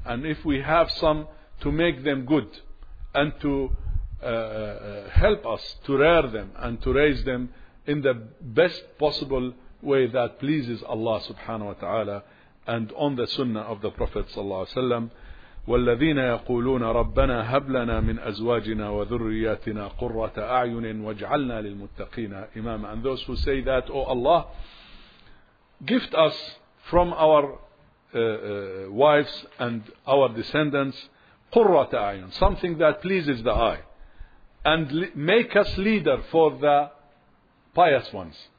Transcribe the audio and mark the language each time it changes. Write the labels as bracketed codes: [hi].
[en] And if we have some, to make them good and to help us to rear them and to raise them in the best possible way that pleases Allah subhanahu wa ta'ala and on the sunnah of the Prophet sallallahu alayhi wa sallam. [ar] والذين يقولون ربنا هب لنا من أزواجنا وذرياتنا قرة أعين واجعلنا للمتقين إماما. [en] And those who say that, oh Allah, gift us from our wives and our descendants [ar] قرة أعين, [en] something that pleases the eye, and make us leader for the pious ones.